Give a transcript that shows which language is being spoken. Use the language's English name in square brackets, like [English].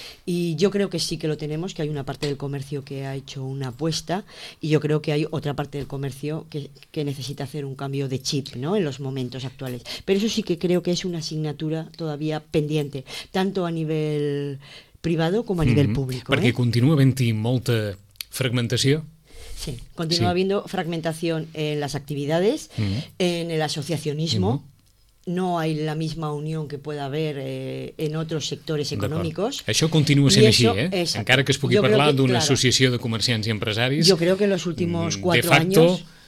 [Spanish] Y yo creo que sí que lo tenemos, que hay una parte del comercio que ha hecho una apuesta, y yo creo que hay otra parte del comercio que necesita hacer un cambio de chip, ¿no?, en los momentos actuales. Pero eso sí que creo que es una asignatura todavía pendiente, tanto a nivel privado como a nivel público. [Catalan] Perquè continua havent-hi molta fragmentació. [Spanish] Sí, continúa habiendo fragmentación en las actividades, en el asociacionismo. No hay la misma unión que pueda haber en otros sectores económicos. [Catalan] Això continua sent així, encara que es pugui parlar d'una associació de comerciants i empresaris. [Spanish] Yo creo que en los últimos cuatro años...